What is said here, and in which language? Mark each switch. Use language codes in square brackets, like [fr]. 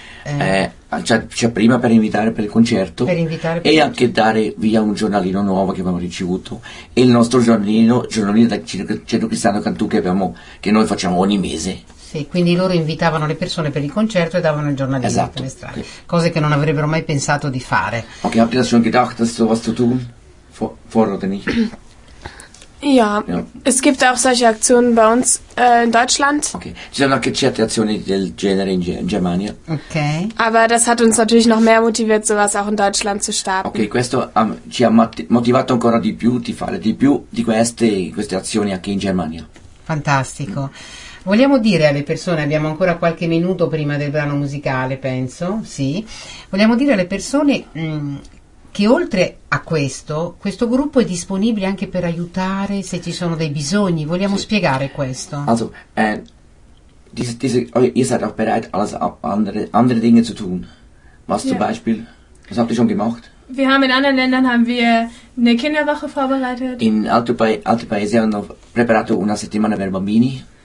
[it] Cioè prima per invitare per il concerto, per invitare per e anche dare via un giornalino nuovo che abbiamo ricevuto, e il nostro giornalino del Centro Cristiano Cantù che noi facciamo ogni mese. Sì, quindi loro invitavano le persone per il concerto e davano il giornalino. Esatto, per le strade, cose che non avrebbero mai pensato di fare. [de] Ok, habt ihr das schon gedacht, dass sowas zu tun? Vorrate nicht. Ja, es gibt auch solche Aktionen bei uns in Deutschland. [it] Okay, ci sono anche certe azioni del genere in Germania. Okay. [de] Aber das hat uns natürlich noch mehr motiviert, sowas auch in Deutschland zu starten. [it] Okay, questo ci ha motivato ancora di più di fare di più di queste azioni anche in Germania. Fantastico. Vogliamo dire alle persone, abbiamo ancora qualche minuto prima del brano musicale, penso, sì. Vogliamo dire alle persone che oltre a questo gruppo è disponibile anche per aiutare se ci sono dei bisogni. Vogliamo, sì, spiegare questo? [de] Also, ihr seid auch bereit, alles andere Dinge zu tun. Was, yeah, zum Beispiel? Was habt ihr schon gemacht? Wir haben in anderen Ländern haben wir eine Kinderwoche vorbereitet. [it] In altri paesi hanno preparato una settimana per bambini.